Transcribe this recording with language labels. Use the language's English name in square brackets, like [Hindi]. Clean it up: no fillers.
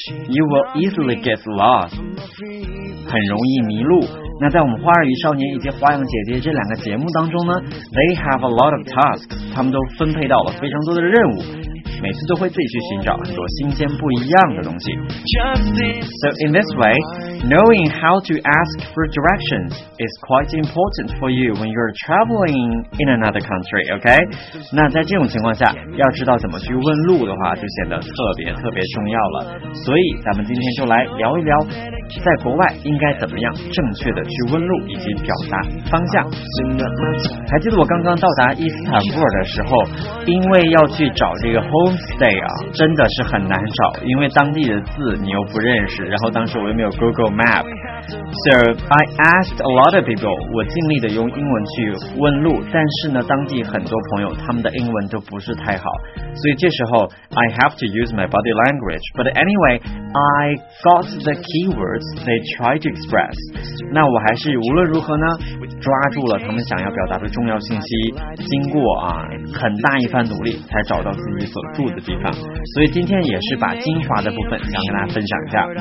[English] You will easily get lost. [Chinese] 很容易迷路。那在我们花儿与少年以及花样姐姐这两个节目当中呢， [English] They have a lot of tasks. [Chinese] 他们都分配到了非常多的任务，每次都会自己去寻找很多新鲜不一样的东西。 [English] So in this way, knowing how to ask for directions is quite important for you when you're traveling in another country, okay? [Chinese] 那在这种情况下，要知道怎么去问路的话，就显得特别特别重要了。所以咱们今天就来聊一聊，在国外应该怎么样正确的去问路以及表达方向。还记得我刚刚到达伊斯坦布尔的时候，因为要去找这个 homestay 啊，真的是很难找，因为当地的字你又不认识，然后当时我又没有 Google Map. [English] So I asked a lot of people. [Chinese] 我尽力的用英文去问路，但是呢，当地很多朋友他们的英文都不是太好，所以这时候 [English] I have to use my body language. But anyway, I got the keywords they tried to express. [Chinese] 那我还是无论如何呢，抓住了他们想要表达的重要信息，经过啊很大一番努力，才找到自己所住的地方。所以今天也是把精华的部分想跟大家分享一下。